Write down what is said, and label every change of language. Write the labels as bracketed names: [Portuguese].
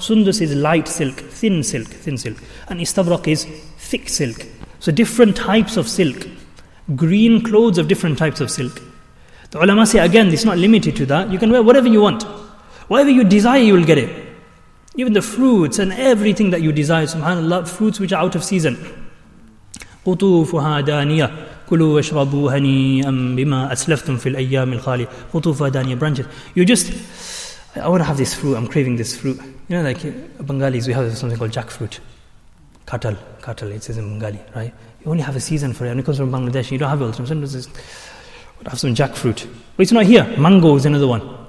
[English] Sundus is light silk, thin silk, thin silk. And istabraq is thick silk. So different types of silk. Green clothes of different types of silk. The ulama say, again, it's not limited to that. You can wear whatever you want. Whatever you desire, you will get it. Even the fruits and everything that you desire, subhanAllah, fruits which are out of season. [Arabic] قُطُوفُهَا دَانِيَةً كُلُوا وَشْرَبُوا هَنِيئًا بِمَا أَسْلَفْتُمْ فِي الْأَيَّامِ الْخَالِيَةِ قُطُوفُهَا دَانِيَةً branches. [English] You just, I want to have this fruit, I'm craving this fruit. You know, like Bengalis, we have something called jackfruit. Katal, katal, it says in Bengali, right? You only have a season for it, and it comes from Bangladesh, you don't have it all the time. Sometimes it's, I have some jackfruit. But it's not here. Mango is another one.